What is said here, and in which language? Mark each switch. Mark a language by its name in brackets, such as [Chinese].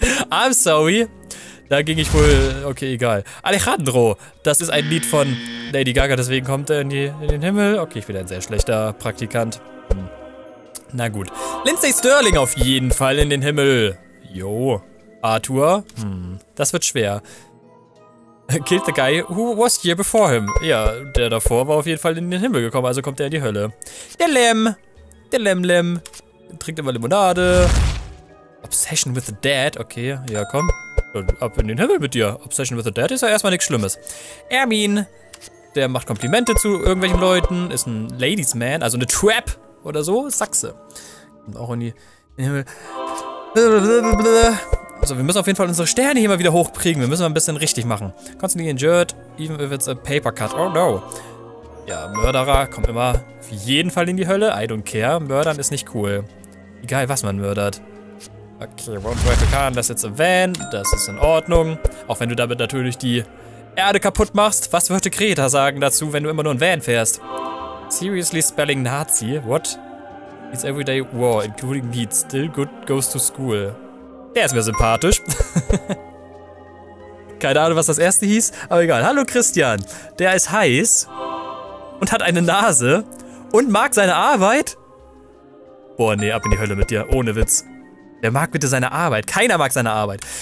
[English] I'm sorry. [German] Da ging ich wohl... Okay, egal. Alejandro. Das ist ein Lied von Lady Gaga, deswegen kommt er in den Himmel. Okay, ich bin ein sehr schlechter Praktikant. Na gut. Lindsay Sterling auf jeden Fall in den Himmel. Jo. Arthur? Das wird schwer. [English] Killed the guy who was here before him. [German] Ja, der davor war auf jeden Fall in den Himmel gekommen, also kommt er in die Hölle. Der Lem. Der Lem. Trinkt immer Limonade. [English] Obsession with the Dead. [German] Okay, ja komm. Ab in den Himmel mit dir. [English] Obsession with the Dead [German] ist ja erstmal nichts Schlimmes. Ermin. Der macht Komplimente zu irgendwelchen Leuten. Ist ein Ladies Man, also eine Trap oder so. Sachse. Und auch in den Himmel. Blablabla. So, wir müssen auf jeden Fall unsere Sterne hier mal wieder hochkriegen. Wir müssen mal ein bisschen richtig machen. [English] Constantly injured, even if it's a paper cut. Oh no. [German] Ja, Mörderer kommt immer auf jeden Fall in die Hölle. [English] I don't care. [German] Mördern ist nicht cool. Egal, was man mördert. [English] Okay, won't drive a car unless it's a van. [German] Das ist in Ordnung. Auch wenn du damit natürlich die Erde kaputt machst. Was würde Greta sagen dazu, wenn du immer nur ein Van fährst? [English] Seriously spelling Nazi? What? It's everyday war, including me. Still good goes to school. [German] Der ist mir sympathisch. Keine Ahnung, was das erste hieß, aber egal. Hallo Christian, der ist heiß und hat eine Nase und mag seine Arbeit. Boah, nee, ab in die Hölle mit dir, ohne Witz. Der mag bitte seine Arbeit, keiner mag seine Arbeit.